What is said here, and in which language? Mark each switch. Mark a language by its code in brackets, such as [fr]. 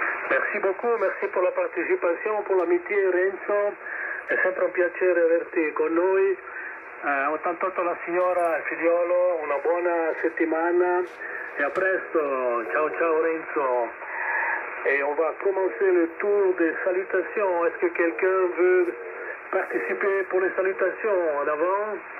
[fr] Merci beaucoup, merci pour la participation, pour l'amitié Renzo. [it] È sempre un piacere averti con noi. Ho tentato la signora e figliolo, una buona settimana e a presto. Ciao ciao [fr] Renzo. Et on va commencer le tour des salutations. Est-ce que quelqu'un veut participer pour les salutations en avant?